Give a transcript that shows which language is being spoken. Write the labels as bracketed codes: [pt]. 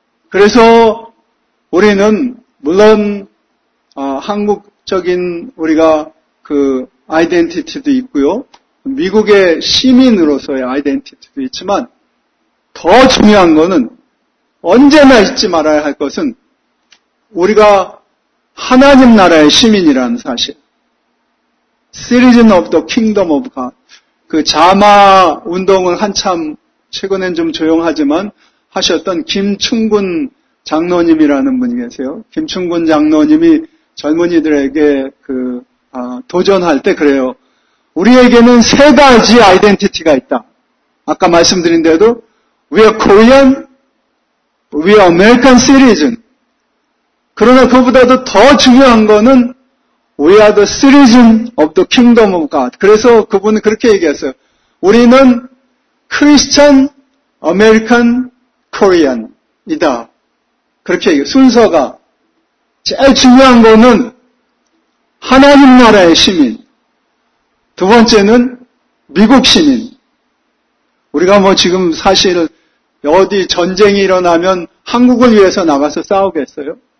[ko] 그래서 우리는 물론 한국적인 우리가 그 아이덴티티도 있고요. 미국의 시민으로서의 아이덴티티도 있지만 더 중요한 것은 언제나 잊지 말아야 할 것은 우리가 하나님 나라의 시민이라는 사실. [en] Citizen of the Kingdom of God. [ko] 그 자마 운동을 한참 최근엔 좀 조용하지만 하셨던 김충근 장로님이라는 분이 계세요. 김충근 장로님이 젊은이들에게 도전할 때 그래요. 우리에게는 세 가지 아이덴티티가 있다. 아까 말씀드린 대로 [en] We are Korean, We are American citizen. [ko] 그러나 그보다도 더 중요한 거는 [en] We are the citizen of the kingdom of God. [ko] 그래서 그분은 그렇게 얘기했어요. 우리는 Christian, American, Korean이다. 그렇게 얘기해요. 순서가 제일 중요한 거는 하나님 나라의 시민. 두 번째는 미국 시민. 우리가 뭐 지금 사실 어디 전쟁이 일어나면 한국을 위해서 나가서 싸우겠어요?